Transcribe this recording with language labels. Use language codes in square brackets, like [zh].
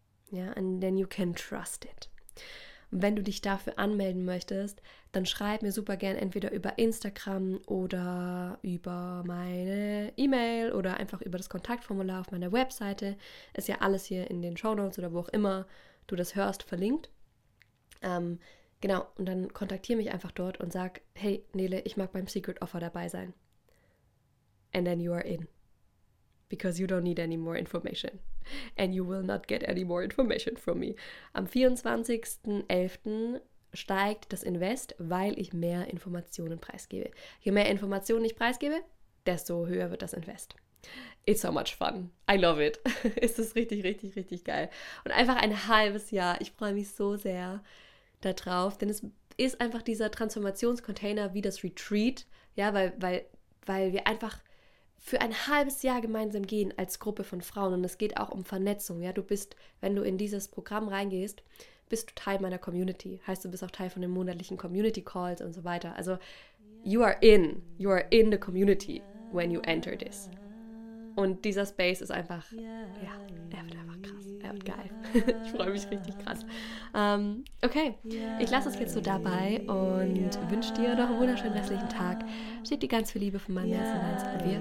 [de] Ja, [en] and then you can trust it. [de] Wenn du dich dafür anmelden möchtest, dann schreib mir super gern entweder über Instagram oder über meine E-Mail oder einfach über das Kontaktformular auf meiner Webseite. Ist ja alles hier in den Shownotes oder wo auch immer du das hörst, verlinkt. Genau, und dann kontaktiere mich einfach dort und sag, hey Nele, ich mag beim Secret Offer dabei sein. [en] And then you are in. Because you don't need any more information. And you will not get any more information from me. [de] Am 24.11. steigt das Invest, weil ich mehr Informationen preisgebe. Je mehr Informationen ich preisgebe, desto höher wird das Invest. [en] It's so much fun. I love it. [de] Es ist richtig, richtig, richtig geil. Und einfach ein halbes Jahr. Ich freue mich so sehr darauf. Denn es ist einfach dieser Transformationscontainer wie das Retreat. Ja, weil wir einfach... für ein halbes Jahr gemeinsam gehen als Gruppe von Frauen. Und es geht auch um Vernetzung. Ja, du bist, wenn du in dieses Programm reingehst, bist du Teil meiner Community. Heißt, du bist auch Teil von den monatlichen Community Calls und so weiter. [en] Also, you are in the community when you enter this. [de] Und dieser Space ist einfach, ja, er wird einfach krass, er wird geil. Ich freue mich richtig krass. Okay, ich lasse es jetzt so dabei und wünsche dir noch einen wunderschönen restlichen Tag. Schick dir ganz viel Liebe von meinem Herzen rein.